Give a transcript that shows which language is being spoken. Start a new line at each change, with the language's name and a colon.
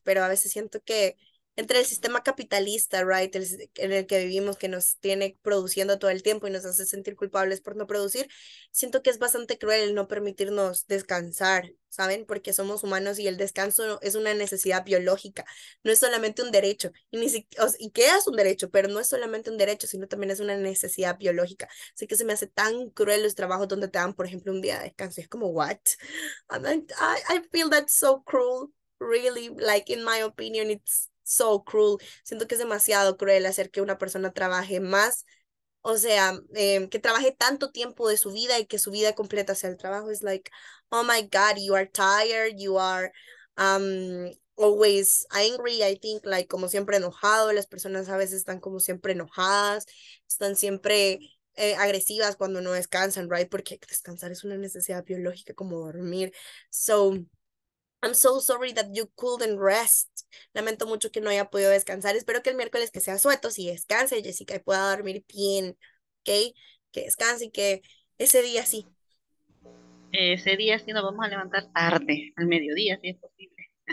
Spanish: Pero a veces siento que entre el sistema capitalista, right, en el que vivimos, que nos tiene produciendo todo el tiempo y nos hace sentir culpables por no producir, siento que es bastante cruel el no permitirnos descansar, ¿saben? Porque somos humanos y el descanso es una necesidad biológica, no es solamente un derecho, y ni siquiera, y queda un derecho, pero no es solamente un derecho, sino también es una necesidad biológica. Así que se me hace tan cruel los trabajos donde te dan, por ejemplo, un día de descanso. Y es como, ¿what?
English: I feel that so cruel, really, like, in my opinion, it's so cruel.
Spanish: Siento que es demasiado cruel hacer que una persona trabaje más, o sea, que trabaje tanto tiempo de su vida y que su vida completa sea el trabajo.
English: Es like, oh my God, you are tired, you are always angry, I think, like,
Spanish: como siempre enojado. Las personas a veces están como siempre enojadas, están siempre agresivas cuando no descansan, right? Porque descansar es una necesidad biológica como dormir.
English: So I'm so sorry that you couldn't rest.
Spanish: Lamento mucho que no haya podido descansar. Espero que el miércoles que sea sueto, si descanse, Jessica, y pueda dormir bien, ¿ok? Que descanse y que ese día sí. Ese día sí nos vamos a levantar tarde, al mediodía, si es posible.